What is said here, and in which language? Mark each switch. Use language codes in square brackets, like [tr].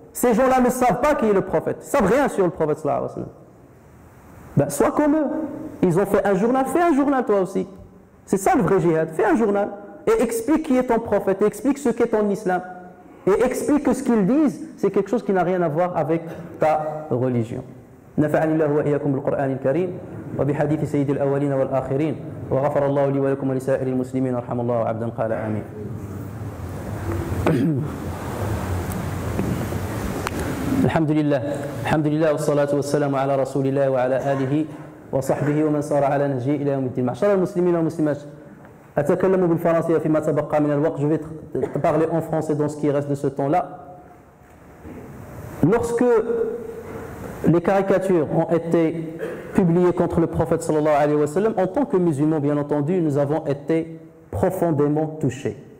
[fr] Ces gens-là ne savent pas qui est le prophète. Ils ne savent rien sur le prophète [ar] sallallahu alayhi wa sallam. [fr] Ben, sois comme eux. Ils ont fait un journal. Fais un journal toi aussi. C'est ça le vrai jihad. Fais un journal. Et explique qui est ton prophète. Et explique ce qu'est ton islam. Et explique que ce qu'ils disent, c'est quelque chose qui n'a rien à voir avec ta religion. [ar] نفعني الله وإياكم بالقرآن الكريم وبحديث سيد الأولين والآخرين وغفر الله لي ولكم ولسائر المسلمين رحم الله عبدا قال آمين. الحمد لله الحمد لله والصلاة والسلام على رسول الله وعلى آله وصحبه ومن صار على نهجه إلى يوم الدين. معشر المسلمين والمسلمات, أتكلم بالفرنسية فيما تبقى من الوقت. [fr] Je vais parler en français dans ce qui reste de ce temps là. Lorsque les caricatures ont été publiées contre le prophète [ar] sallallahu alayhi wa sallam, [fr] en tant que musulmans, bien entendu, nous avons été profondément touchés.